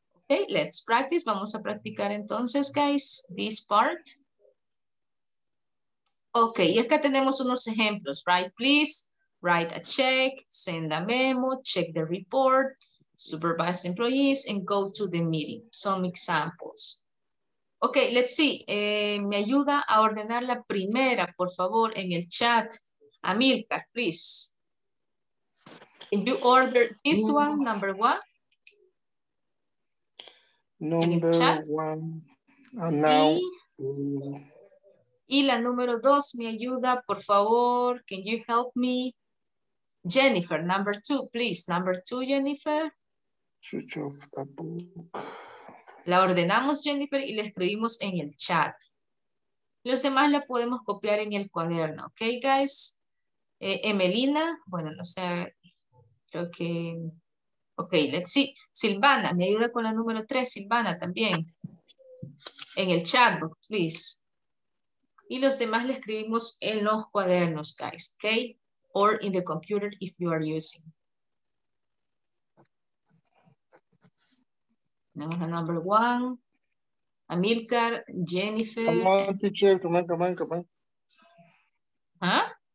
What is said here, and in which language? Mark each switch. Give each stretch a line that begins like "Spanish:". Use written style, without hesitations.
English: Okay, let's practice.
Spanish: Vamos a practicar entonces,
English: guys, this part.
Spanish: Okay, y acá tenemos unos ejemplos, right?
English: Please write a check, send a memo, check the report, supervise employees, and go to the meeting. Some examples. Okay, let's see.
Spanish: Me ayuda a ordenar la primera, por favor, en el chat.
English: Amilcar, please. Can you order this one, number one? Number one. And now.
Spanish: Y la número dos, me ayuda, por favor.
English: Can you help me? Jennifer, number two, please. Number two, Jennifer. Switch off the book.
Spanish: La ordenamos, Jennifer, y la escribimos en el chat. Los demás la podemos copiar en el cuaderno. Ok, guys. Emelina, bueno, no sé. Creo que...
English: Ok, let's see.
Spanish: Silvana, me ayuda con la número tres. Silvana, también. En el chat box, please. Y los demás le escribimos en los cuadernos, guys, okay?
English: Or in the computer if you are using.
Spanish: Tenemos la
English: number one,
Spanish: Amilcar, Jennifer.
English: Come on, teacher. Huh?